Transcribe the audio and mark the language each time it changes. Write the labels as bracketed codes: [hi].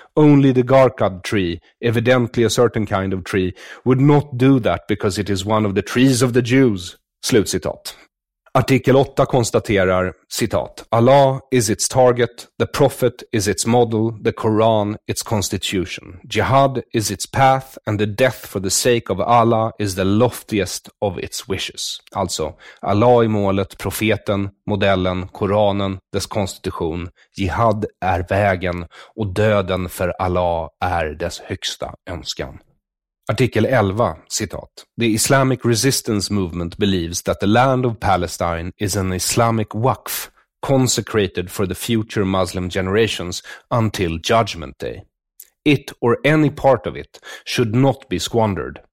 [en] Only the Garkad tree, evidently a certain kind of tree, would not do that because it is one of the trees of the Jews. [sv] Slutcitat. Artikel 8 konstaterar, citat, [en] Allah is its target, the Prophet is its model, the Quran its constitution. Jihad is its path and the death for the sake of Allah is the loftiest of its wishes. [sv] Alltså, Allah är målet, profeten, modellen, Koranen, dess konstitution, jihad är vägen och döden för Allah är dess högsta önskan. Artikel 11, citat. [en] The Islamic resistance movement believes that the land of Palestine is an Islamic waqf consecrated for the future Muslim generations until judgment day. It or any part of it should not be squandered.